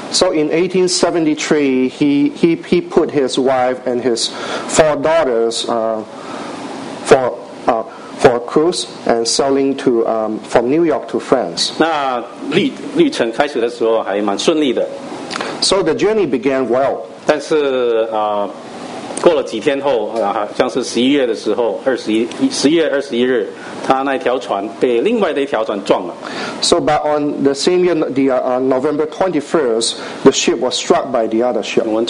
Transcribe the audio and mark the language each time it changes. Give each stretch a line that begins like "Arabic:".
English: So in 1873, he put his wife and his four daughters for a cruise and sailing to from New York to France.
Chinese: 那旅程开始的时候还蛮顺利的。
English: So the journey began well.
Chinese: 但是 过了几天后，好像是11月的时候，11月21日，他那条船被另外的一条船撞了。
English: So but on the same year, the November 21st, the ship was struck by the other ship.